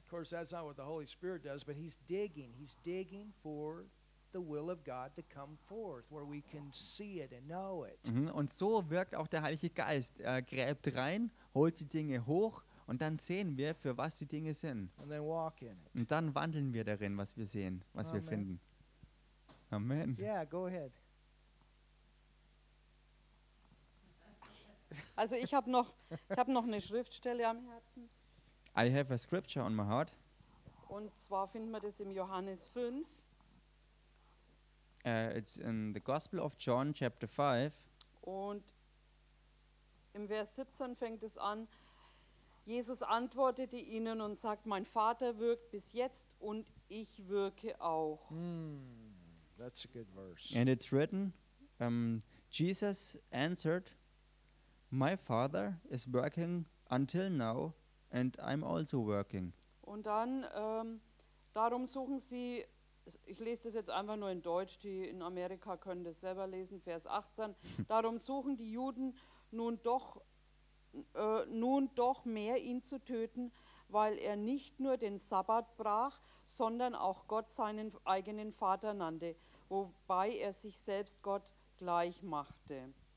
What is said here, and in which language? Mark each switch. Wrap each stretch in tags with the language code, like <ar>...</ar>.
<en>Of course, that's not what the Holy Spirit does, but he's digging. He's digging for the will of God to come forth, where we can see it and know it.</en> <de>Und so wirkt auch der Heilige Geist. Er gräbt rein, holt die Dinge hoch. Und dann sehen wir, für was die Dinge sind.</de> <en>And then walk in it.</en> <de>Und dann wandeln wir darin, was wir sehen, was Amen. Wir finden. Amen.</de> <en>Yeah, go ahead.</en> <de>Also ich habe noch eine Schriftstelle am Herzen.</de> <en>I have a scripture on my heart.</en> <de>Und zwar finden wir das im Johannes 5.</de> <en>It's in the Gospel of John, chapter 5.</en> <de>Und im Vers 17 fängt es an. Jesus antwortete ihnen und sagt, mein Vater wirkt bis jetzt und ich wirke auch.</de> <en>That's a good verse. And it's written, Jesus answered, my Father is working until now and I'm also working.</en> <de>Und dann, darum suchen sie, ich lese das jetzt einfach nur in Deutsch, die in Amerika können das selber lesen, Vers 18, darum suchen die Juden nun doch mehr ihn zu töten, weil er nicht nur den Sabbat brach, sondern auch Gott seinen eigenen Vater nannte, wobei er sich selbst Gott gleich machte.</de>